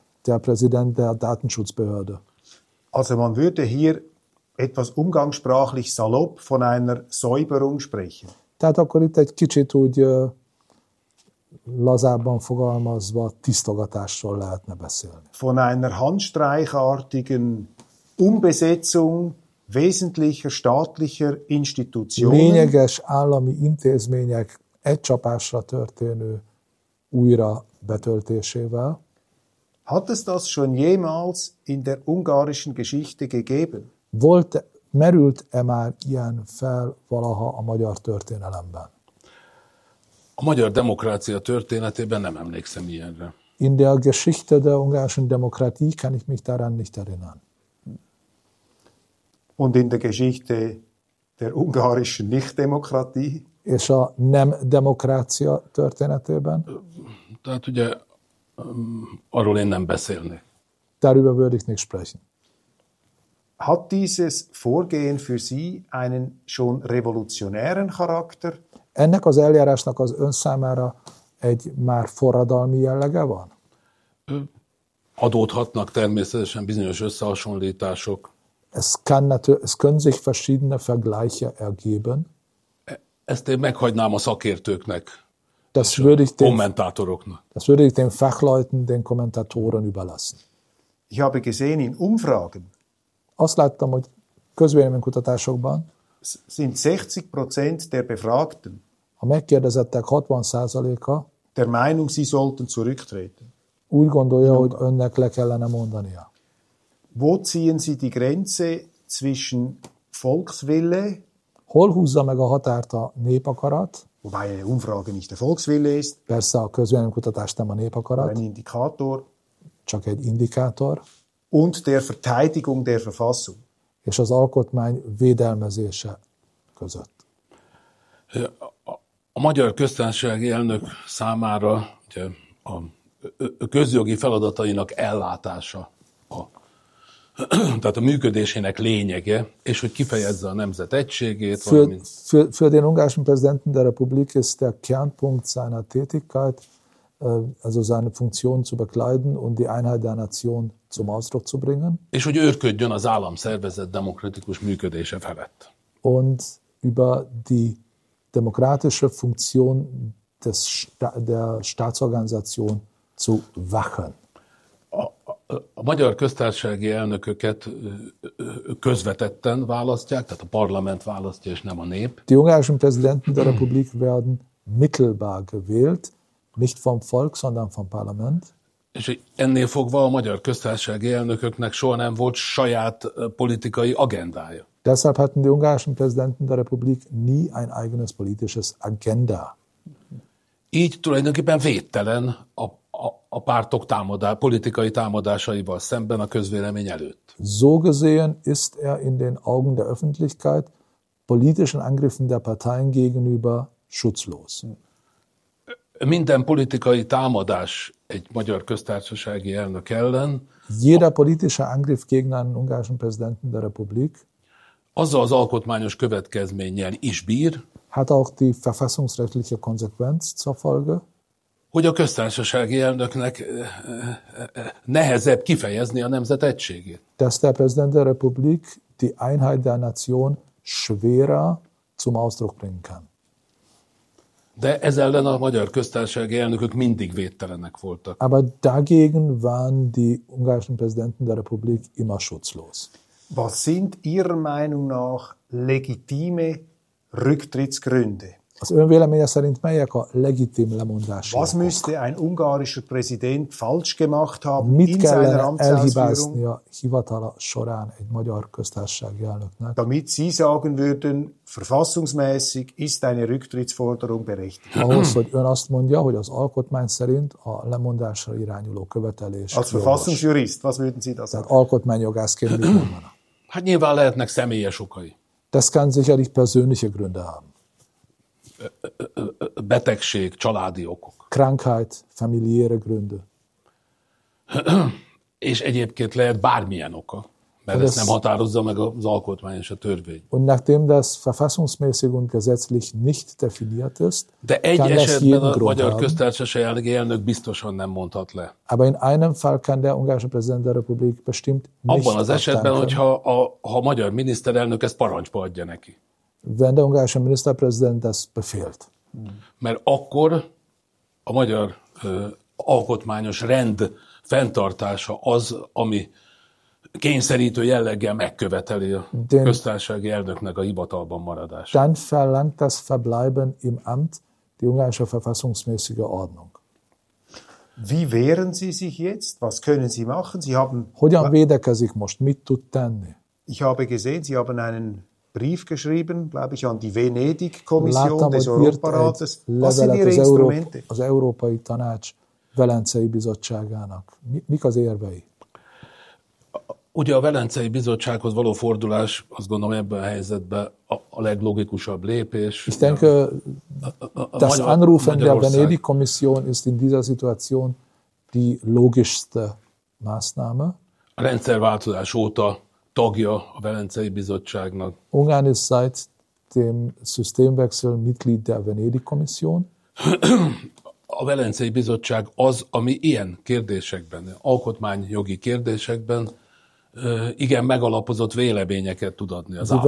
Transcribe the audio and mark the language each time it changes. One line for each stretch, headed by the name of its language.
German: Der Präsident der Datenschutzbehörde. Also man würde hier etwas umgangssprachlich salopp von einer Säuberung sprechen.
Hungarian: Tehát akkor itt egy kicsit úgy lazábban fogalmazva tisztogatásról lehetne beszélni.
German: Von einer handstreichartigen Umbesetzung wesentlicher staatlicher Institutionen.
Hungarian: Lényeges állami intézmények egy csapásra történő újra betöltésével.
German: Hat es das schon jemals in der ungarischen Geschichte gegeben?
Hungarian: Merült-e már ilyen fel valaha a magyar történelemben? A magyar demokrácia történetében nem emlékszem ilyenre.
German: In der Geschichte der ungarischen Demokratie kann ich mich daran nicht erinnern. Und in der Geschichte der ungarischen Nichtdemokratie?
Hungarian: És a nem demokrácia történetében? Tehát ugye arról én nem beszélnék.
German: Darüber würde ich nicht sprechen. Hat dieses Vorgehen für Sie einen schon revolutionären Charakter?
Hungarian: Ennek az eljárásnak az ön számára egy már forradalmi jellege van? Adódhatnak természetesen bizonyos összehasonlítások.
German: Es können sich verschiedene Vergleiche ergeben.
Hungarian: Ezt én meghagynám a szakértőknek.
German: Das würde ich den
Hungarian: Kommentatoroknak.
German: Das würde ich den Fachleuten, den Kommentatoren überlassen. Ich habe gesehen in Umfragen.
Hungarian: Azt láttam, hogy közvéleménykutatásokban
German: sind 60% der Befragten.
Hungarian: A megkérdezettek 60%-a
German: der Meinung, sie sollten zurücktreten.
Hungarian: Úgy gondolja, hogy önnek le kellene mondania.
German: Wo ziehen Sie die Grenze zwischen Volkswille?
Hungarian: Hol húzza meg a határt a népakarat?
German: Wobei eine Umfrage nicht der Volkswille ist.
Hungarian: Persze, a közvéleménykutatás nem a népakarat.
German: Ein Indikator.
Hungarian: Csak egy indikátor.
German: Und der Verteidigung der Verfassung.
Hungarian: És az alkotmány védelmezése között. A magyar köztársasági elnök számára ugye, a közjogi feladatainak ellátása tehát a működésének lényege, és hogy kifejezze a nemzet egységét.
German: Für den ungarischen Präsidenten der Republik ist der Kernpunkt seiner Tätigkeit, also seine Funktion zu bekleiden und die Einheit der Nation zum Ausdruck zu bringen.
Hungarian: És hogy őrködjön az államszervezet demokratikus működése felett.
German: Und über die demokratische Funktion der Staatsorganisation zu wachen.
Hungarian: A magyar köztársasági elnököket közvetetten választják, tehát a parlament választja, és nem a nép.
German: Die ungarischen Präsidenten der Republik werden mittelbar gewählt, nicht vom Volk, sondern vom Parlament.
Hungarian: És ennél fogva a magyar köztársasági elnököknek soha nem volt saját politikai agendája.
German: Deshalb hatten die ungarischen Präsidenten der Republik nie ein eigenes politisches Agenda.
Hungarian: Így tulajdonképpen védtelen a pártok politikai támadásaival szemben a közvélemény előtt.
German: So gesehen ist in den Augen der Öffentlichkeit politischen Angriffen der Parteien gegenüber schutzlos.
Hungarian: Minden politikai támadás egy magyar köztársasági elnök ellen.
German: Jeder politische Angriff gegen einen ungarischen Präsidenten der Republik.
Hungarian: Azzal az alkotmányos következménnyel is bír.
German: Hat auch die verfassungsrechtliche Konsequenz zur Folge.
Hungarian: Hogy a köztársasági elnöknek nehezebb kifejezni a nemzet egységét.
German: Dass der Präsident der Republik die Einheit der Nation schwerer zum Ausdruck bringen kann.
Hungarian: De ez ellen a magyar köztársasági elnökök mindig védtelenek voltak.
German: Aber dagegen waren die ungarischen Präsidenten der Republik immer schutzlos. Was sind Ihrer Meinung nach legitime Rücktrittsgründe?
Hungarian: Az ön véleménye szerint melyek a legitim lemondási
German: Was
Hungarian: okok?
German: Müsste ein ungarischer Präsident falsch gemacht haben
Hungarian: Mit
German: in seiner Amtsausführung?
Hungarian: Mit elhibáznia hivatala során egy magyar köztársasági elnöknek?
German: Damit Sie sagen würden, verfassungsmäßig ist eine Rücktrittsforderung berechtigt.
Hungarian: Ahhoz, hogy ön azt mondja, hogy az alkotmány szerint a lemondásra irányuló követelés...
German: Als verfassungsjurist, was würden Sie da sagen?
Hungarian: Tehát alkotmányjogászként mi mondaná? Hát nyilván lehetnek személyes okai.
German: Das kann sicherlich persönliche Gründe haben.
Hungarian: Betegség, családi okok.
German: Krankheit, familiäre Gründe.
Hungarian: És egyébként lehet bármilyen oka, mert ezt nem határozza meg az alkotmány és a törvény.
German: Und nachdem das verfassungsmäßig und gesetzlich nicht definiert ist,
Hungarian: de egy esetben a magyar köztársasági elnök biztosan nem mondhat le.
German: Aber in einem Fall kann der ungarische Präsident der Republik bestimmt nicht
Hungarian: abban az esetben, hogyha ha a magyar miniszterelnök ezt parancsba adja neki.
German: Wenn der ungarische Ministerpräsident das befehlt.
Hungarian: Mert akkor a magyar alkotmányos rend fenntartása az, ami kényszerítő jelleggel megköveteli a köztársasági elnöknek a hivatalban maradását.
German: Dann verlangt das Verbleiben im Amt die ungarische verfassungsmäßige Ordnung. Wie wehren Sie sich jetzt? Was können Sie machen? Sie haben
Hungarian: Hogyan védekezik most? Mit tud tenni?
German: Ich habe gesehen, Sie haben einen Brief geschrieben, glaube ich, an die Venedig-Kommission des Europarates. Was sind Ihre Instrumente?
Hungarian: Az Európai Tanács Velencei Bizottságának. Mik az érvei? Ugye a Velencei Bizottsághoz való fordulás, azt gondolom ebben a helyzetben a leglogikusabb lépés.
German: Ich denke, das Anrufen der Venedig-Kommission ist in dieser Situation die logischste Maßnahme.
Hungarian: A rendszerváltozás óta tagja a Velencei Bizottságnak.
German: Ungarn ist seit dem Systemwechsel Mitglied der Venedig-Kommission.
Hungarian: A Velencei Bizottság az, ami ilyen kérdésekben, alkotmányjogi kérdésekben igen megalapozott véleményeket tud adni az államok